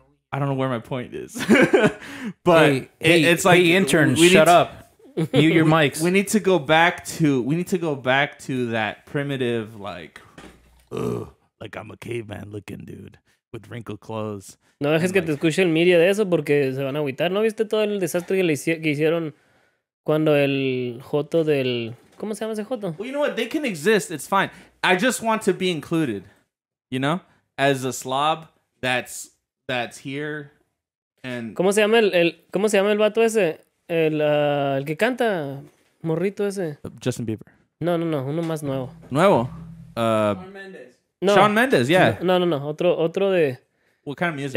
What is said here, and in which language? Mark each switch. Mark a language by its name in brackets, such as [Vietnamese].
[English] I don't know where my point is. But it's like... Hey, intern, shut up. Mute your mics. We need to go back to that primitive, like, ugh, like I'm a caveman looking dude with wrinkled clothes. [Spanish] No dejes que te escuche el media de eso porque se van a agüitar. ¿No viste todo el desastre que hicieron cuando el Joto del... ¿Cómo se llama ese Joto? [English] Well, you know what? They can exist. It's fine. I just want to be included, you know? as a slob that's here and [Spanish] ¿Cómo se llama el cómo se llama el vato ese? El que canta morrito ese. [English] Justin Bieber. [Spanish] No, uno más nuevo. Nuevo. [English] Shawn Mendes, yeah. [Spanish] No, otro de [English] What kind of music?